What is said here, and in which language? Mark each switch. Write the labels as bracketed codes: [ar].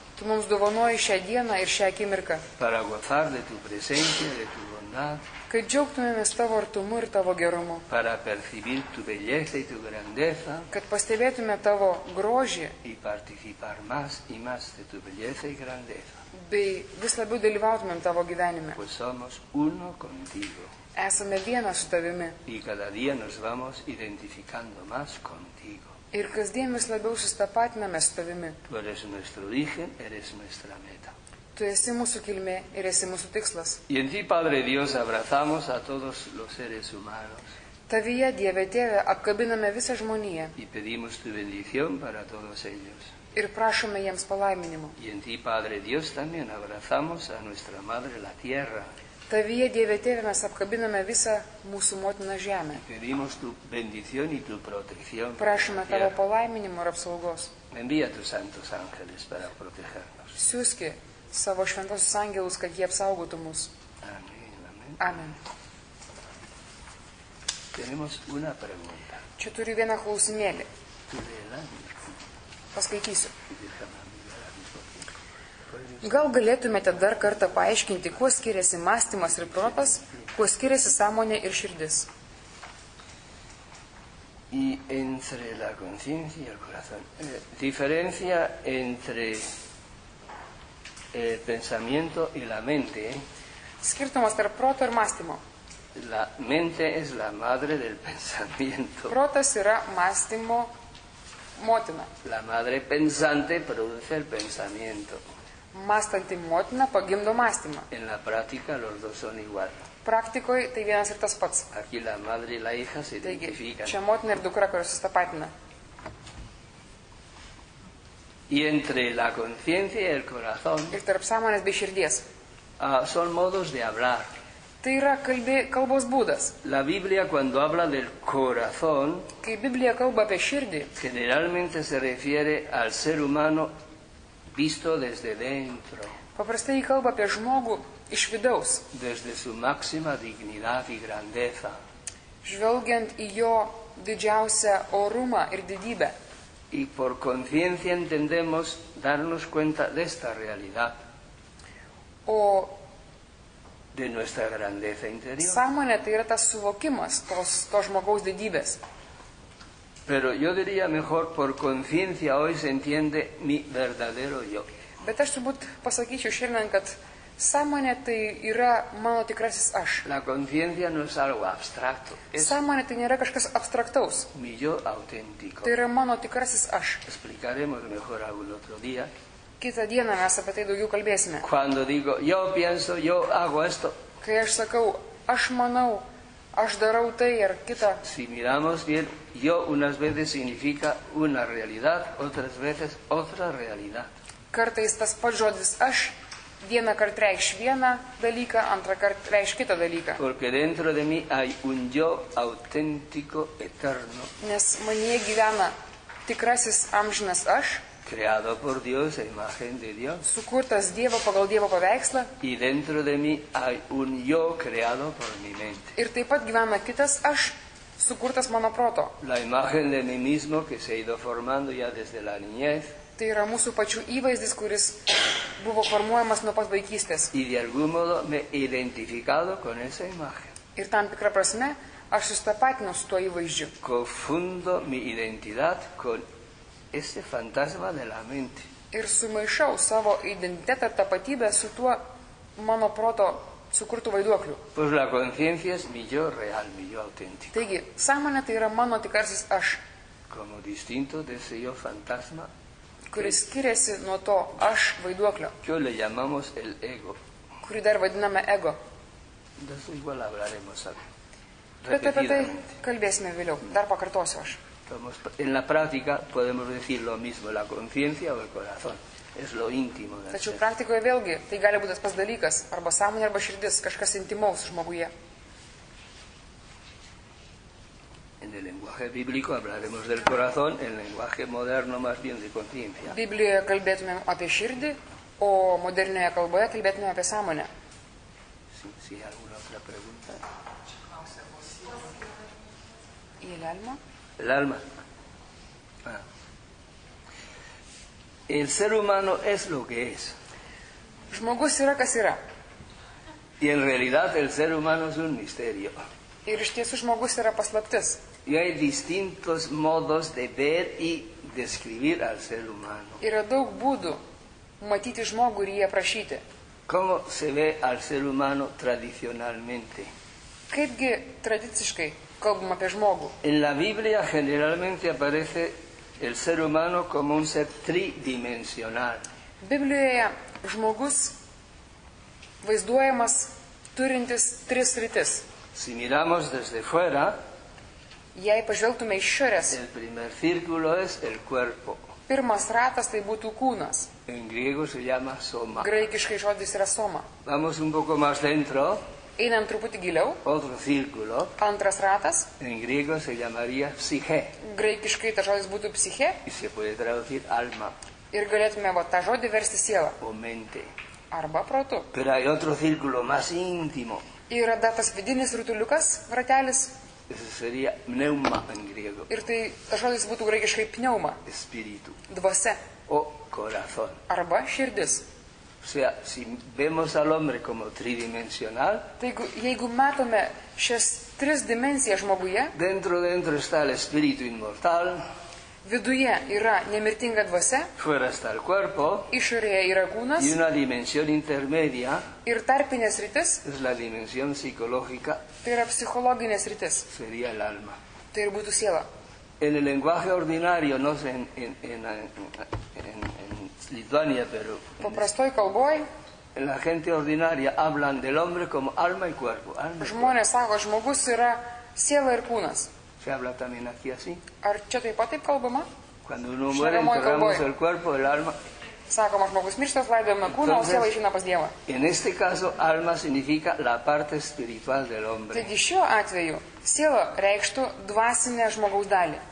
[lt] Tu mums dovanoji šią dieną ir šią akimirką. [es] Para gozar de tu presencia, de tu bondad. [lt] Kad džiaugtumėmės tavo artumu ir tavo gerumu. [es] Para percibir tu belleza y tu grandeza. [lt] Kad pastebėtume tavo grožį. [es] Y participar más y más de tu belleza y grandeza. [lt] Bei vis labiau dalyvautumėm tavo gyvenime. [es] Pues somos uno contigo. [lt] Esame vienas su tavimi. [es] Y cada día nos vamos identificando más contigo. [lt] Ir kasdien vis labiau susitapatiname su tavimi. [es] Tu eres nuestro origen, eres nuestra meta. [lt] Tu esi mūsų kilmė ir esi mūsų tikslas. [es] Y en ti, Padre Dios, abrazamos a todos los seres humanos. [lt] Tavyje, Dieve Tėve, apkabiname visą žmoniją. [es] Y pedimos tu bendición para todos ellos. [lt] Ir prašome jiems palaiminimo. [es] Y en ti, Padre Dios, también abrazamos a nuestra madre la tierra. [lt] Tavyje, Dieve Tėve, mes apkabiname visą mūsų motiną žemę. [es] Pedimos tu bendición y tu protección. [lt] Prašome tavo palaiminimo ir apsaugos. [es] Envía tus santos ángeles para protegernos. [lt] Siuski savo šventosius angelus, kad jie apsaugotų mus. Amen. Amen. [es] Tenemos una pregunta. [lt] Čia turiu vieną klausimėlį. Paskaitysiu. Gal galėtumėte dar kartą paaiškinti, kuo skiriasi mąstymas ir protas, kuo skiriasi sąmonė ir širdis? [es] Y entre la conciencia y el corazón. Diferencia entre el pensamiento y la mente. [lt] Skirtumas tarp proto ir mąstymo. [es] La mente es la madre del pensamiento. [lt] Protas yra mąstymo motina. [es] La madre pensante produce el pensamiento. [lt] Mąstanti motina pagimdo mąstymą. [es] En la práctica los dos son igual. [lt] Praktikoj tai vienas ir tas pats. [es] Aquí la madre y la hija se identifican. [lt] Čia motina ir dukra, kurios susitapatina. [es] Y entre la conciencia y el corazón. [lt] Ir tarp sąmonės bei širdies. [es] Son modos de hablar. [lt] Tai yra kalbos būdas. [es] La Biblia cuando habla del corazón. [lt] Kai Biblia kalba apie širdį. [es] Generalmente se refiere al ser humano visto desde dentro. [lt] Paprastai kalba apie žmogų iš vidaus. [es] Desde su máxima dignidad y grandeza. [lt] Žvelgiant į jo didžiausią orumą ir didybę. [es] Y por conciencia entendemos darnos cuenta de esta realidad. [lt] O [es] de nuestra grandeza interior. [lt] Sąmonė tai yra tas suvokimas to žmogaus didybės. [es] Pero yo diría mejor, por conciencia hoy se entiende mi verdadero yo. [lt] Bet aš turbūt pasakyčiau šiandien, kad sąmonė tai yra mano tikrasis aš. [es] La conciencia no es algo abstracto. [lt] Sąmonė tai nėra kažkas abstraktaus. [es] Mi yo auténtico. [lt] Tai yra mano tikrasis aš. [es] Explicaremos mejor algún otro día. [lt] Kitą dieną mes apie tai daugiau kalbėsime. [es] Cuando digo, yo pienso, yo hago esto. [lt] Kai aš sakau, aš manau, aš darau tai ir kitą. [es] Si miramos bien, yo unas veces significa una realidad, otras veces otra realidad. [lt] Kartais tas pats žodis aš, vieną kartą reikš vieną dalyką, antrą kartą reikš kitą dalyką. [es] Porque dentro de mí hay un yo auténtico eterno. [lt] Nes manyje gyvena tikrasis amžinas aš. [es] Creado por Dios, a imagen de Dios. [lt] Sukurtas Dievo pagal Dievo paveikslą. [es] Y dentro de mí hay un yo creado por mi mente. [lt] Ir taip pat gyvena kitas aš, sukurtas mano proto. [es] La imagen de mí mismo que se ha ido formando ya desde la niñez. [lt] Tai yra mūsų pačių įvaizdis, kuris buvo formuojamas nuo pat vaikystės. [es] Y de algún modo me he identificado con esa imagen. [lt] Ir tam tikra prasme, aš susitapatinu su tuo įvaizdžiu. [es] Confundo mi identidad con ese fantasma de la mente. [lt] Ir sumaišau savo identitetą tapatybę su tuo mano proto sukurtu vaiduokliu. [es] Pues la conciencia es mi yo real, mi yo auténtico. [lt] Taigi, sąmonė tai yra mano tikrasis aš. [es] Como distinto de ese yo fantasma. [lt] Kuris skiriasi nuo to aš vaiduoklio. [es] Yo le llamamos el ego. [lt] Kurį dar vadiname ego. [es] De eso igual hablaremos algo. [lt] Bet apie tai kalbėsime vėliau. Dar pakartosiu aš. [es] En la práctica podemos decir lo mismo, la conciencia o el corazón. Es lo íntimo. [lt] Tačiau praktikoje vėlgi, tai gali būti tas pas dalykas, arba sąmonė, arba širdis, kažkas intimaus žmoguje. [es] En el lenguaje bíblico hablaremos del corazón, en el lenguaje moderno más bien de conciencia. [lt] Biblijoje kalbėtumėm apie širdį, o modernioje kalboje kalbėtumėm apie sąmonę. [es] Si hay alguna otra pregunta. ¿Y el alma? El alma. El ser humano es lo que es. [lt] Žmogus yra, kas yra. [es] Y en realidad el ser humano es un misterio. [lt] Ir iš tiesų žmogus yra paslaptis. [es] Y hay distintos modos de ver y describir al ser humano. [lt] Yra daug būdų matyti žmogų ir jį aprašyti. [es] ¿Cómo se ve al ser humano tradicionalmente? [lt] Kaipgi tradiciškai kalbama apie žmogų? [es] En la Biblia generalmente aparece el ser humano como un ser tridimensional. [lt] Biblijoje žmogus vaizduojamas turintis tris sritis. [es] Si miramos desde fuera, [lt] jei pažvelgtume iš šiorės, [es] el primer círculo es el cuerpo. [lt] Pirmas ratas tai būtų kūnas. [es] En griego se llama soma. [lt] Graikiškai žodis yra soma. [es] Vamos un poco más dentro. [lt] Einam truputį giliau. [es] Otro círculo. [lt] Antras ratas. [es] En griego se llamaría psiche. [lt] Graikiškai ta žodis būtų psiche. [es] Y se puede traducir alma. [lt] Ir galėtume va tą žodį versti siela. [es] O mente. [lt] Arba protu. [es] Pero hay otro círculo más íntimo. [lt] Yra dar tas vidinis rutuliukas, ratelis. [es] Ese sería pneuma en griego. [lt] Ir tai ta žodis būtų graikiškai pneuma. [es] Espíritu. [lt] Dvase. [es] O corazón. [lt] Arba širdis. [es] O sea, si vemos al hombre como tridimensional, [lt] taigi, jeigu matome šias tris dimensijas žmoguje, [es] dentro está el espíritu inmortal, [lt] viduje yra nemirtinga dvasia, [es] fuera está el cuerpo, [lt] išorėje yra kūnas, [es] y una dimensión intermedia, [lt] ir tarpinė sritis, [es] es la dimensión psicológica, [lt] tai yra psichologinė sritis, [es] sería el alma, [lt] tai būtų siela. [es] En el lenguaje ordinario, no sé, en Lituania, pero [lt] paprastoj kalboj, [es] la gente ordinaria hablan del hombre como alma y cuerpo. [lt] Žmonės sako, žmogus yra siela ir kūnas. [es] Se habla también aquí así. [lt] Ar čia taip pat taip kalbama? [es] Cuando uno muere, enterramos el cuerpo, el alma. [lt] Sakoma, žmogus miršta, laidojame kūną, o siela išeina pas Dievą. [es] En este caso, alma significa la parte espiritual del hombre. [lt] Taigi šiuo atveju, siela reikštų dvasinę žmogaus dalį.